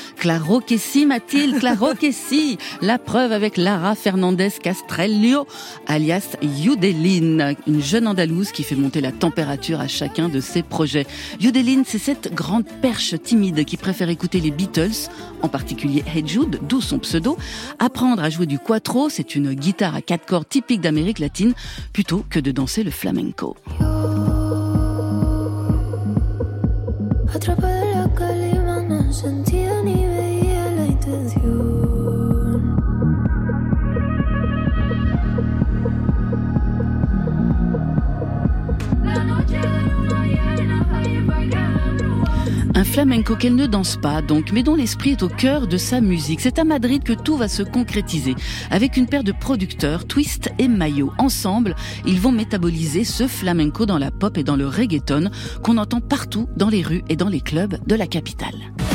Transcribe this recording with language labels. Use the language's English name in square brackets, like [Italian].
[Spanish] Claro que si, [French] Mathilde, [Spanish] claro que si! [French] La preuve avec Lara Fernandez Castrelio, alias Yodeline, une jeune Andalouse qui fait monter la température à chacun de ses projets. Yodeline, c'est cette grande perche timide qui préfère écouter les Beatles, en particulier Hey Jude, d'où son pseudo, apprendre à jouer du cuatro, c'est une guitare à quatre cordes typique d'Amérique latine, plutôt que de danser le flamenco. [Spanish] Atrapada la calima, no sentía ni veía la intención. La noche era llena, ahí bailando. [French] Un flamenco qu'elle ne danse pas donc, mais dont l'esprit est au cœur de sa musique. C'est à Madrid que tout va se concrétiser, avec une paire de producteurs, Twist et Mayo. Ensemble, ils vont métaboliser ce flamenco dans la pop et dans le reggaeton qu'on entend partout dans les rues et dans les clubs de la capitale.